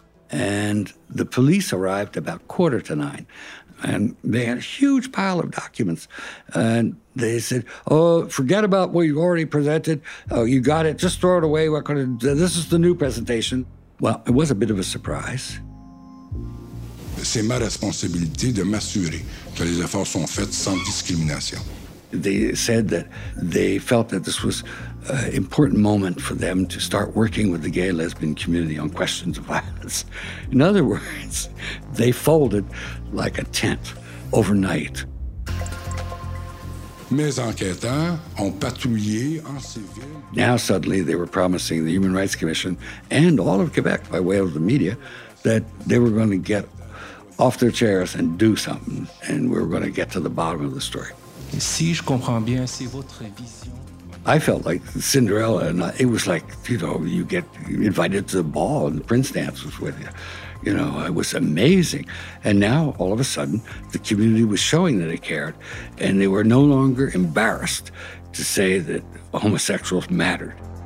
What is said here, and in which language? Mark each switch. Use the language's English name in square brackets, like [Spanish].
[English] And the police arrived about 9:15, and they had a huge pile of documents. And they said, oh, forget about what you already presented. Oh, you got it. Just throw it away. This is the new presentation. Well, it was a bit of a surprise. [French] C'est ma responsabilité de m'assurer que les efforts sont faits sans discrimination. [English] They said that they felt that this was an important moment for them to start working with the gay lesbian community on questions of violence. In other words, they folded like a tent overnight. [French] Mes enquêteurs ont patrouillé en civil. [English] Now suddenly they were promising the Human Rights Commission and all of Quebec by way of the media that they were going to get off their chairs and do something, and we're going to get to the bottom of the story. [French] Si je comprends bien, c'est votre vision. [English] I felt like Cinderella, and it was like, you know, you get invited to the ball and the prince dances with you. You know, it was amazing. And now, all of a sudden, the community was showing that it cared, and they were no longer embarrassed to say that homosexuals mattered.